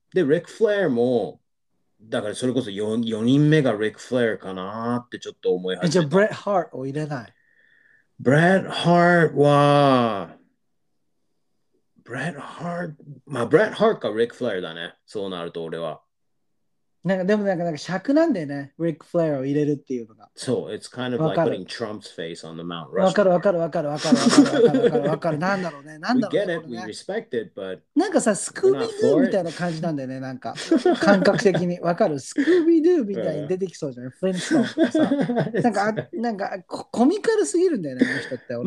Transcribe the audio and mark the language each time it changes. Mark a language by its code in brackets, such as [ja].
[ja] で、リック・フレアも、だからそれこそ 4人目がリック・フレアかなってちょっと思い始めた。じゃあ、ブレッド・ハートを入れない。ブレッド・ハートは、ブレッド・ハート、まあ、ブレッド・ハートかリック・フレアだね。そうなると、俺は。なんかでもなんか尺なんでね、リック・フレアを入れるっていうのが。そう、 [en] it's kind of like putting Trump's face on the Mount Rushmore。 [ja] わかるわかるわかるわかるわかるわかるわかる。なんだろうね、なんだろう。 [en] We get it, we respect it, but [ja] なんかさ、スクービードゥみたいな感じなんだよね、なんか感覚的にわかる。スクービードゥみたいに出てきそうじゃない、フレンチのさ、なんかコミカルすぎるんだよね、この人って。